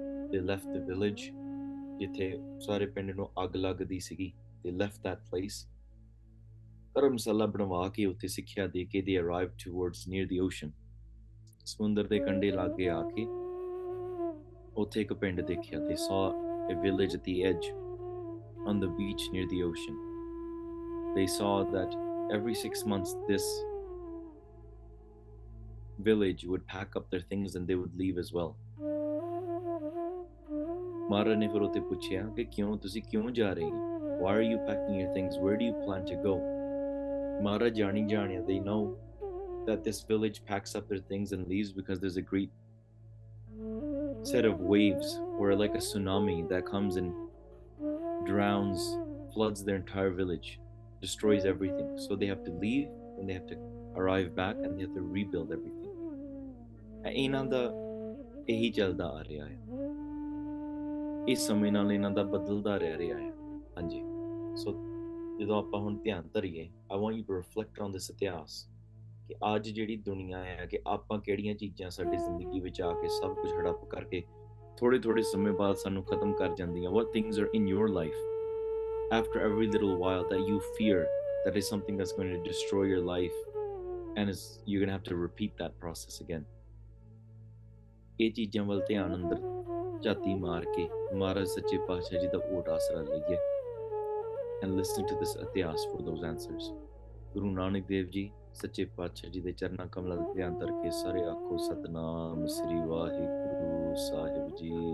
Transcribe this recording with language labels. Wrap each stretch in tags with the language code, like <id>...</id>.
<en>ਦੇ left the village</en> <pa>ਜਿੱਥੇ ਸਾਰੇ ਪਿੰਡ ਨੂੰ ਅੱਗ ਲੱਗਦੀ ਸੀਗੀ,</pa> <en>they left that place,</en> <pa>ਧਰਮਸ਼ਾਲਾ ਬਣਵਾ ਕੇ ਉੱਥੇ ਸਿੱਖਿਆ ਦੇ ਕੇ,</pa> <en>they arrive towards near the ocean,</en> <pa>ਸਮੁੰਦਰ ਦੇ ਕੰਢੇ ਲਾਗੇ ਆ ਕੇ ਉੱਥੇ ਇੱਕ ਪਿੰਡ ਦੇਖਿਆ,</pa> <en>They saw a village the edge on the beach near the ocean. They saw that every 6 months this village would pack up their things and they would leave as well.</en> <pa>Mara ne fir utte puchya ke kyon tusi kyon ja rahe ho,</pa> <en>why are you packing your things, where do you plan to go? Mara</en> <pa>jani janya,</pa> <en>they know that this village packs up their things and leaves because there's a great set of waves or like a tsunami that comes and drowns, floods their entire village, destroys everything. So they have to leave and they have to arrive back and they have to rebuild everything.</en> <pa>ਇਹਨਾਂ ਦਾ ਇਹੀ ਚੱਲਦਾ ਆ ਰਿਹਾ ਹੈ, ਇਸ ਸਮੇਂ ਨਾਲ ਇਹਨਾਂ ਦਾ ਬਦਲਦਾ ਰਹਿ ਰਿਹਾ ਹੈ. ਹਾਂਜੀ, ਸੋ ਜਦੋਂ ਆਪਾਂ ਹੁਣ ਧਿਆਨ ਧਰੀਏ,</pa> <en>I want you to reflect on this</en> <pa>ਇਤਿਹਾਸ ਕਿ ਅੱਜ ਜਿਹੜੀ ਦੁਨੀਆ ਹੈ, ਕਿ ਆਪਾਂ ਕਿਹੜੀਆਂ ਚੀਜ਼ਾਂ ਸਾਡੀ ਜ਼ਿੰਦਗੀ ਵਿੱਚ ਆ ਕੇ ਸਭ ਕੁਛ ਹੜੱਪ ਕਰਕੇ ਥੋੜ੍ਹੇ ਥੋੜ੍ਹੇ ਸਮੇਂ ਬਾਅਦ ਸਾਨੂੰ ਖਤਮ ਕਰ ਜਾਂਦੀਆਂ.</pa> <en>What things are in your life after every little while that you fear that is something that's going to destroy your life and is you're going to have to repeat that process again.</en> <pa>ਇਹ ਚੀਜ਼ਾਂ ਵੱਲ ਧਿਆਨ ਅੰਦਰ ਝਾਤੀ ਮਾਰ ਕੇ ਮਹਾਰਾਜ ਸੱਚੇ ਪਾਤਸ਼ਾਹ ਜੀ ਦਾ ਓਟ ਆਸਰਾ ਲਈਏ,</pa> <en>And listen to this ਇਤਿਹਾਸ for those answers.</en> <pa>Guru Nanak Dev ji ਸੱਚੇ ਪਾਤਸ਼ਾਹ ਜੀ ਦੇ ਚਰਨਾਂ ਕਮਲਾਂ ਦਾ ਧਿਆਨ ਧਰਕੇ ਸਾਰੇ ਆਖੋ ਸਤਨਾਮ ਸ੍ਰੀ ਵਾਹਿਗੁਰੂ ਸਾਹਿਬ ਜੀ.</pa>